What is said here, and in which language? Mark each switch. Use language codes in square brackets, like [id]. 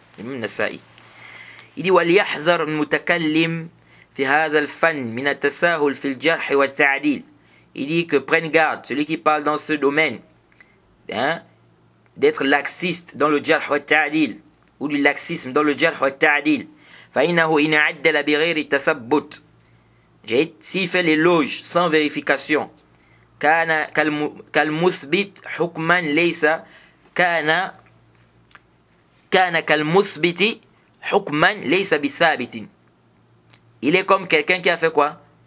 [fr] Imam Nasa'i. Il dit [ar] وَلْيَحْذَرْ الْمُتَكَلِّمُ فِي هَذَا الْفَنِّ مِنَ التَّسَاهُلِ فِي الْجَرْحِ وَالتَّعْدِيلِ. [fr] Il dit que prenne garde celui qui parle dans ce domaine, hein, d'être laxiste dans le jarh wa ta'dil, ou du laxisme dans le jarh wa ta'dil. [ar] فَإِنَّهُ إِنَ عَدَّلَ بِغَيْرِ التَّثَبُّتِ. [fr] S'il fait l'éloge sans vérification, [ar] كَانَ كَالْمُثْبِتْ حُكْمًا لَيْسَ كَانَ كَالْمُثْبِتِ حُكْمًا لَيْسَ بِثَابِتٍ. [fr] Il est comme quelqu'un qui a fait quoi?